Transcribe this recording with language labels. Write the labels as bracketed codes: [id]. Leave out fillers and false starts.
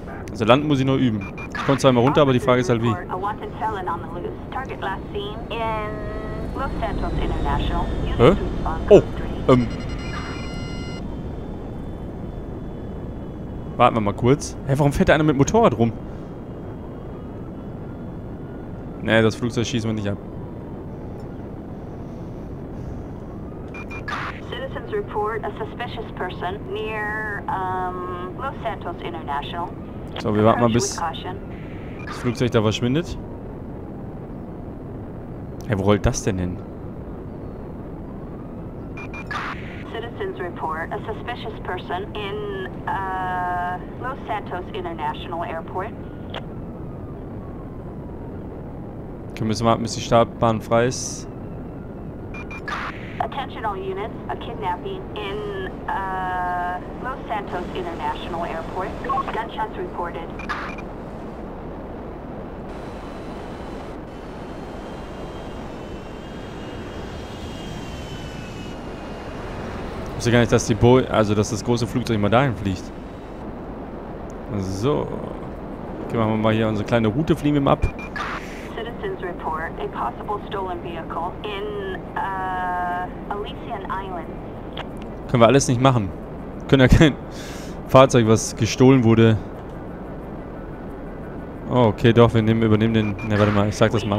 [de] Also landen muss ich noch üben. Ich komme zweimal runter, aber die Frage ist halt wie. Hä? Oh! Warten wir mal kurz. Hä, warum fährt da einer mit Motorrad rum? Nee, das Flugzeug schießen wir nicht ab. [en] Citizens report a suspicious person near Los Santos International. [de] So, wir warten mal, bis das Flugzeug da verschwindet. Hey, wo rollt das denn hin? [en] Citizens report a suspicious person in Los Santos International Airport. [de] Okay, müssen wir warten, bis die Startbahn frei ist. [en] Attention all units, a kidnapping in Los Santos International Airport. Gunshots reported. [de] Ich wusste gar nicht, dass dass das große Flugzeug mal dahin fliegt. So. Okay, machen wir mal hier unsere kleine Route, fliegen wir mal ab. [en] Citizens report a possible stolen vehicle in Elysian Island. [de] Können wir alles nicht machen. Können ja kein Fahrzeug, was gestohlen wurde, Oh, okay, doch, wir nehmen, übernehmen den. Ne, warte mal, ich sag das mal.